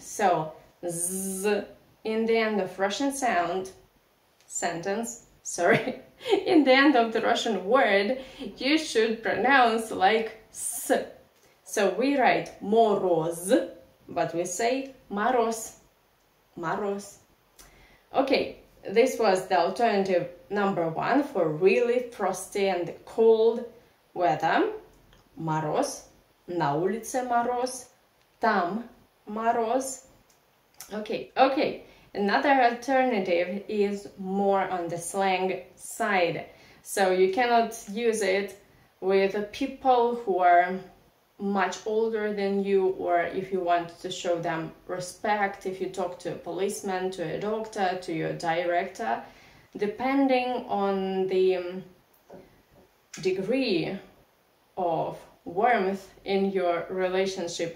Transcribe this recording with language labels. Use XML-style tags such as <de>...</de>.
<en>So, Z. In the end of Russian sound sentence, sorry, in the end of the Russian word, you should pronounce like S. So we write мороз, but we say мороз, мороз. Okay, this was the alternative number one for really frosty and cold weather.</en> <ru>Мороз, на улице мороз, там мороз.</ru> <en>Okay. Another alternative is more on the slang side. So you cannot use it with people who are much older than you, or if you want to show them respect, if you talk to a policeman, to a doctor, to your director, depending on the degree of warmth in your relationship.</en>